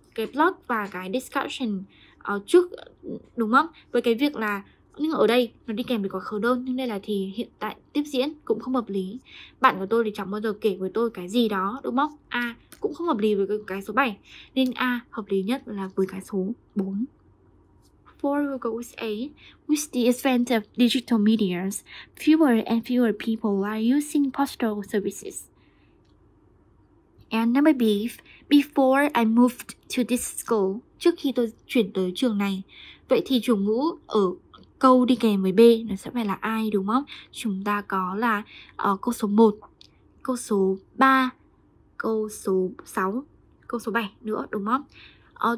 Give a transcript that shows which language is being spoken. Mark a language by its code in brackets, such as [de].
[vi] cái blog và cái discussion trước, đúng không? Với cái việc là, nhưng ở đây nó đi kèm với quá khứ đơn, nhưng đây là thì hiện tại tiếp diễn cũng không hợp lý. Bạn của tôi thì chẳng bao giờ kể với tôi cái gì đó, đúng không? A cũng không hợp lý với cái số 7, nên A hợp lý nhất là với cái số 4. [en] For goes A, with the advent of digital medias, fewer and fewer people are using postal services. And number B, before I moved to this school, [vi] trước khi tôi chuyển tới trường này, vậy thì chủ ngữ ở câu đi kèm với B nó sẽ phải là ai, đúng không? Chúng ta có là câu số 1, câu số 3, câu số 6, câu số 7 nữa, đúng không?